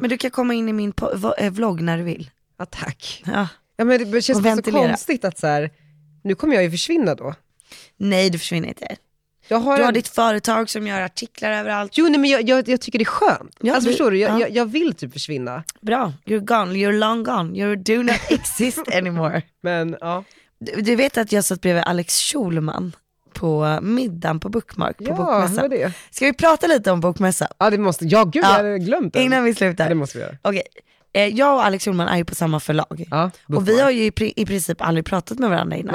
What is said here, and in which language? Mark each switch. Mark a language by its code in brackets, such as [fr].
[sv] Men du kan komma in i min vlogg när du vill. Ja, tack. Ja. Ja, men det känns så konstigt att så här, nu kommer jag ju försvinna då. Nej, du försvinner inte. Du har ditt företag som gör artiklar överallt. Jo, nej, men jag tycker det är skönt. Ja, alltså förstår du, jag vill typ försvinna. Bra, [en] you're gone, you're long gone. You do not exist anymore. [sv] Men ja. Du vet att jag satt bredvid Alex Schulman på middagen på Bookmark. Ja, på bokmässan. Det? Ska vi prata lite om bokmässan? Ja, det måste, ja, gud, jag hade glömt det. Innan vi slutar. Ja, det måste vi göra. Okej. Jag och Alex Holman är ju på samma förlag. Ja, och vi har ju i princip aldrig pratat med varandra innan.